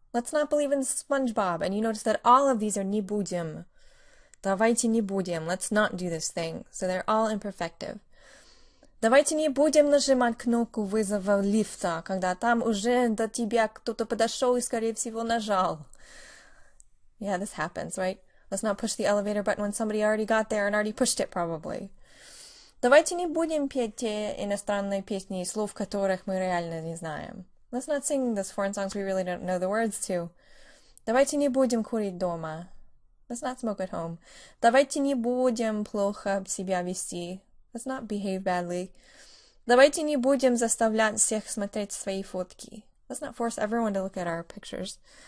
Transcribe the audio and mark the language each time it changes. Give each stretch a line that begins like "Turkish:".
English: Let's not believe in SpongeBob. And you notice that all of these are не будем.
Russian: Давайте не будем.
English: Let's not do this thing. So they're all imperfective.
Russian: Давайте не будем нажимать кнопку вызова лифта, когда там уже до тебя кто-то подошел и, скорее всего, нажал.
English: Yeah, this happens, right? Let's not push the elevator button when somebody already got there and already pushed it, probably.
Russian: Давайте не будем петь те иностранные песни, слов которых мы реально не знаем.
English: Let's not sing those foreign songs we really don't know the words to.
Russian: Давайте не будем курить дома.
English: Let's not smoke at home.
Russian: Давайте не будем плохо себя вести.
English: Let's not behave badly.
Russian: Давайте не будем заставлять всех смотреть свои фотки.
English: Let's not force everyone to look at our pictures.